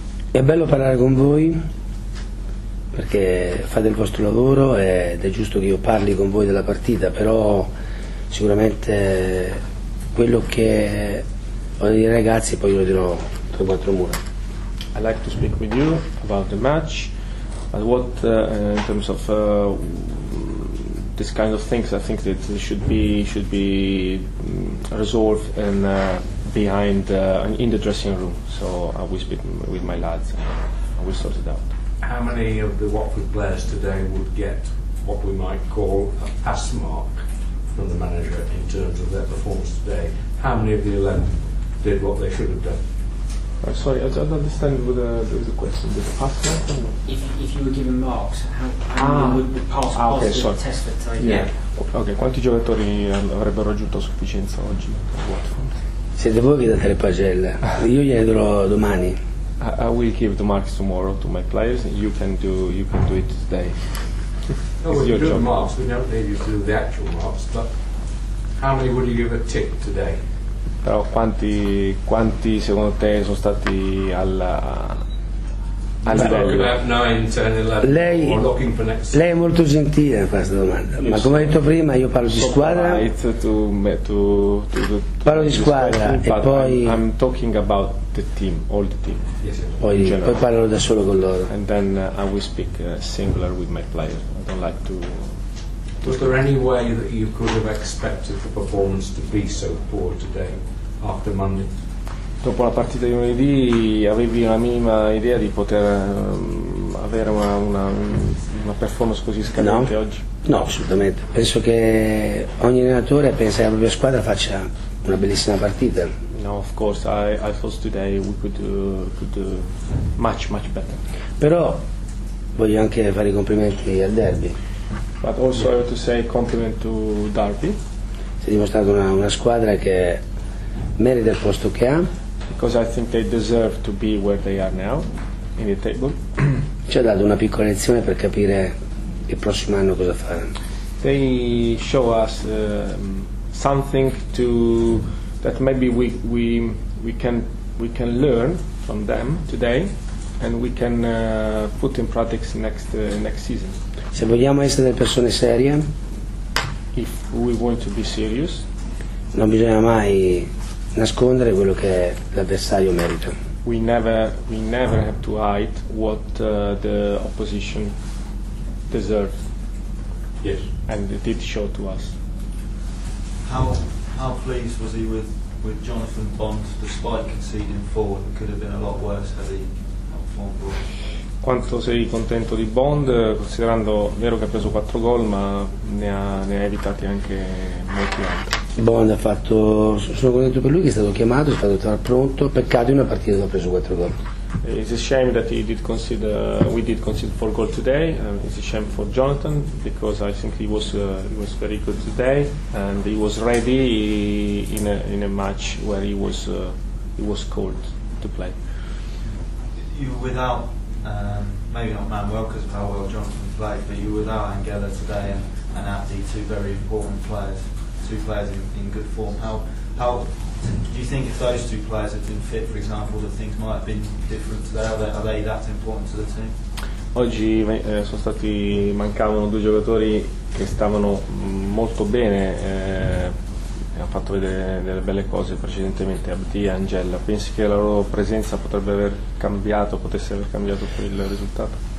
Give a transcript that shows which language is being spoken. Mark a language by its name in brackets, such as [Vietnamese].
[Italian] È bello parlare con voi perché fate il vostro lavoro ed è giusto che io parli con voi della partita, però sicuramente quello che ho dei ragazzi poi lo dirò tra quattro mura. [English] I'd like to speak with you about the match, but what in terms of this kind of things, I think that it should be resolved and behind in the dressing room. So I will speak with my lads and we'll sort it out. How many of the Watford players today would get what we might call a pass mark from the manager in terms of their performance today? How many of the 11 did what they should have done? Sorry, I don't understand the question. The pass mark. If you were given marks, how many would the pass mark okay, so the test for today? Yeah. Okay. [Italian] Quanti giocatori avrebbero raggiunto sufficienza oggi per Watford? Siete voi che date le pagelle. Io gliele darò domani. [English] I will give the marks tomorrow to my players. You can do it today. No, when you do the marks, we don't need you to do the actual marks. But how many would you give a tick today? [Italian] Però quanti secondo te sono stati al livello? Lei è molto gentile a questa domanda, ma come ho detto prima io parlo di squadra. Parlo di squadra e poi [English] I'm talking about the team, all the team. [Italian] Poi parlerò da solo con loro. [English] And then I will speak singular with my players. I don't like to. Was there any way that you could have expected the performance to be so poor today? After Monday. [Italian] Dopo la partita di lunedì avevi una minima idea di poter avere una performance così scadente no. Oggi? No, assolutamente. Penso che ogni allenatore pensa che la propria squadra faccia una bellissima partita. [English] No, of course, I thought today we could much, much better. [Italian] Però voglio anche fare i complimenti al derby. [English] But also I have to say compliment to Derby. [Italian] Si è dimostrata una squadra che merita il posto che ha. [English] Because I think they deserve to be where they are now in the table. [Italian] Ci ha dato una piccola lezione per capire il prossimo anno cosa fare. [English] They show us something to that maybe we can learn from them today and we can put in practice next season. [Italian] Se vogliamo essere delle persone serie, [English] if we want to be serious, [Italian] non bisogna mai nascondere quello che l'avversario merita. [English] We never have to hide what the opposition deserves. Yes. And it did show to us. How pleased was he with Jonathan Bond despite conceding four? It could have been a lot worse had he not formed well. [Italian] Quanto sei contento di Bond, considerando vero che ha preso 4 gol, ma ne ha evitati anche molti altri. Bond ha fatto. Sono contento per lui che è stato chiamato, è stato trovato pronto. Peccato in una partita dove ha preso 4 gol. [English] It's a shame that we did concede 4 goals today. It's a shame for Jonathan because I think he was very good today and he was ready in a match where he was called to play. You without maybe not Manuel because of how well Jonathan played, but you without Anguilla today and Abdi, two very important players, two players in good form. How how do you think if those two players had been fit, for example, that things might have been different today? Are they that important to the team? [Italian] Oggi sono stati mancavano due giocatori che stavano molto bene, hanno fatto vedere delle belle cose precedentemente, Abdi e Angela. Pensi che la loro presenza potesse aver cambiato il risultato?